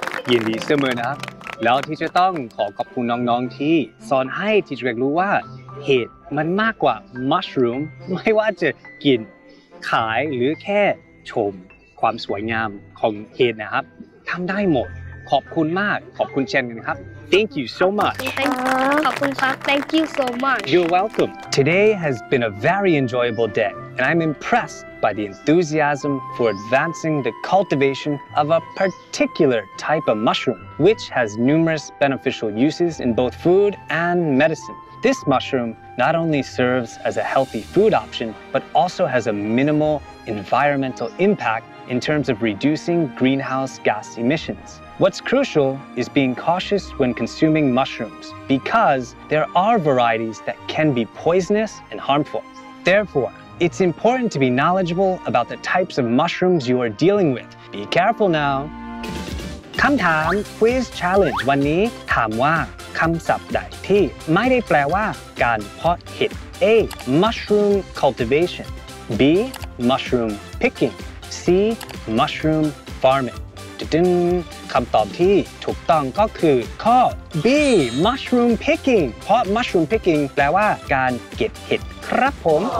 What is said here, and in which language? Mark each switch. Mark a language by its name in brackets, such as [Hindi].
[Thai] ยินดีเสมอนะแล้วที่จะต้องขอขอบคุณน้องๆที่สอนให้ที่เชฟรู้ว่าเห็ดมันมากกว่ามัชรูมไม่ว่าจะกินขายหรือแค่ชมความสวยงามของเห็ดนะครับทำได้หมดขอบคุณมากขอบคุณเชนกันครับ [English] Thank you so much [Thai] ขอบคุณครับ [English] Thank you so much You're welcome Today has been a very enjoyable day and I'm impressed by the enthusiasm for advancing the cultivation of a particular type of mushroom which has numerous beneficial uses in both food and medicine This mushroom not only serves as a healthy food option but also has a minimal environmental impact in terms of reducing greenhouse gas emissionsWhat's crucial is being cautious when consuming mushrooms because there are varieties that can be poisonous and harmful. Therefore, it's important to be knowledgeable about the types of mushrooms you are dealing with. Be careful now. [Thai] คำถาม Quiz Challenge วันนี้ถามว่าคำศัพท์ใดที่ไม่ได้แปลว่าการเพาะเห็ด A. [English] Mushroom cultivation B. Mushroom picking C. Mushroom farming. [Thai] คำตอบที่ถูกต้องก็คือข้อ B mushroom picking เพราะ mushroom picking แปลว่าการเก็บเห็ดครับผม